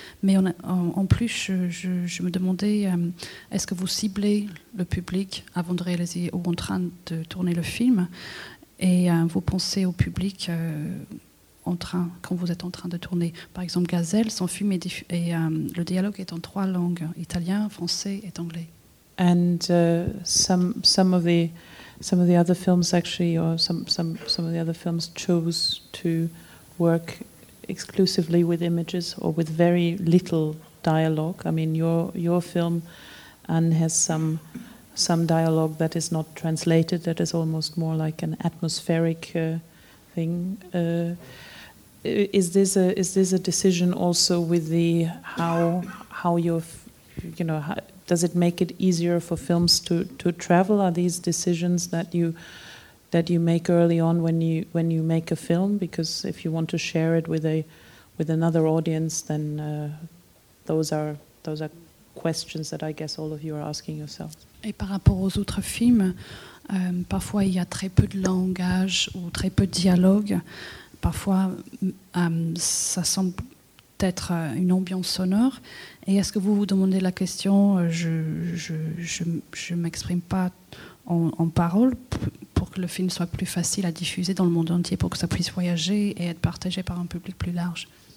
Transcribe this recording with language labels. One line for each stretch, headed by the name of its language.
French: Mais en plus, je me demandais, est-ce que vous ciblez le public avant de réaliser ou en train de tourner le film? Et vous pensez au public quand vous êtes en train de tourner. Par exemple, Gazelle, son film est le dialogue est en trois langues, italien, français et anglais.
English: And some of the other films actually, or some of the other films chose to work exclusively with images or with very little dialogue. I mean, your film, Anne, has some dialogue that is not translated. That is almost more like an atmospheric thing. Is this a decision also with the how your, you know, how, does it make it easier for films to travel? Are these decisions that you make early on when you make a film? Because if you want to share it with another audience, then those are questions that I guess all of you are asking yourself.
French: Et par rapport aux autres films, parfois il y a très peu de langage ou très peu de dialogue. Parfois, ça semble être une ambiance sonore. Et est-ce que vous vous demandez la question, je m'exprime pas en parole pour que le film soit plus facile à diffuser dans le monde entier, pour que ça puisse voyager et être partagé par un public plus large?